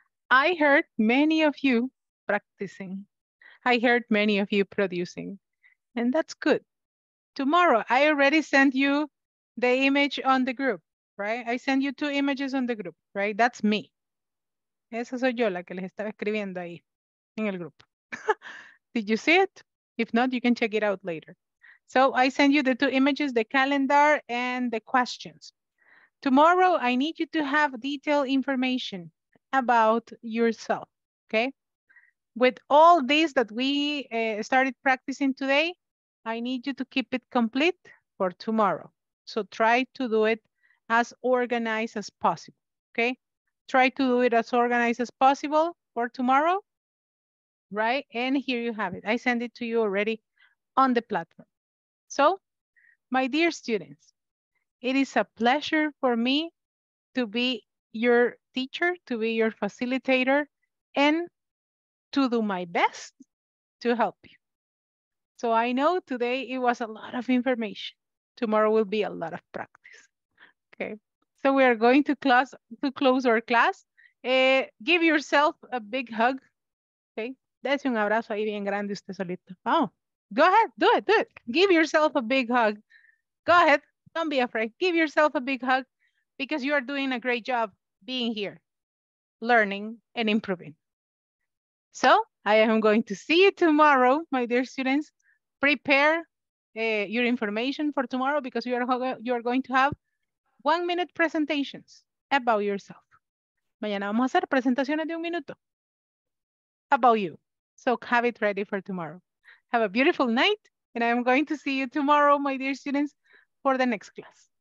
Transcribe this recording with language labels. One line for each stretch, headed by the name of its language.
English: I heard many of you practicing. I heard many of you producing, and that's good. Tomorrow, I already sent you the image on the group, right? I sent you two images on the group, right? That's me.
Spanish: Esa soy yo, la que les estaba escribiendo ahí, en el grupo.
English: Did you see it? If not, you can check it out later. So I send you the two images, the calendar and the questions. Tomorrow, I need you to have detailed information about yourself, okay? With all this that we started practicing today, I need you to keep it complete for tomorrow. So try to do it as organized as possible, okay? Try to do it as organized as possible for tomorrow, right? And here you have it. I send it to you already on the platform. So, my dear students, it is a pleasure for me to be your teacher, to be your facilitator, and to do my best to help you. So I know today it was a lot of information. Tomorrow will be a lot of practice. Okay. So we are going to close our class. Give yourself a big hug. Okay.
Spanish: Dese un abrazo ahí bien grande usted solito.
English: Oh. Go ahead, do it. Give yourself a big hug. Go ahead, don't be afraid. Give yourself a big hug because you are doing a great job being here, learning and improving. So I am going to see you tomorrow, my dear students. Prepare your information for tomorrow because you are going to have 1 minute presentations, about yourself.
Spanish: Mañana vamos a hacer presentaciones de un minuto.
English: About you. So have it ready for tomorrow. Have a beautiful night. And I'm going to see you tomorrow, my dear students, for the next class.